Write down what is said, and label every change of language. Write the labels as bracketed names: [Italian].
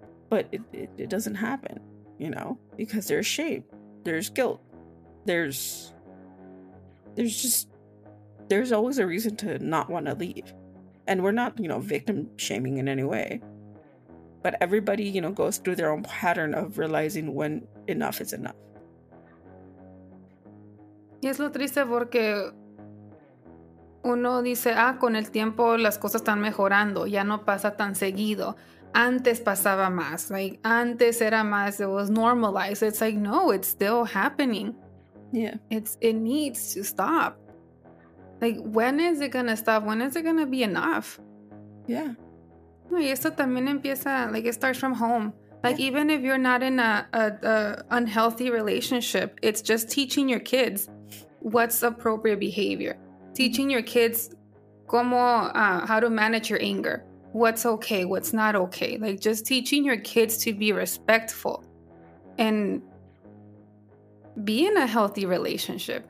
[English] But it doesn't happen, you know, because there's shame, there's guilt, there's always a reason to not want to leave. And we're not, you know, victim shaming in any way. But everybody, you know, goes through their own pattern of realizing when enough is enough. [Spanish] Y es lo triste porque uno dice, con el tiempo las cosas están mejorando, ya no pasa tan seguido. Antes pasaba más, like, antes era más, [English] it was normalized. It's like, no, it's still happening. Yeah. It needs to stop. Like, when is it gonna stop? When is it gonna be enough? Yeah. [Spanish] No, y esto también empieza, like, [English] it starts from home. Like, yeah. Even if you're not in a unhealthy relationship, it's just teaching your kids what's appropriate behavior. Teaching your kids how to manage your anger. What's okay, what's not okay. Like, just teaching your kids to be respectful and be in a healthy relationship.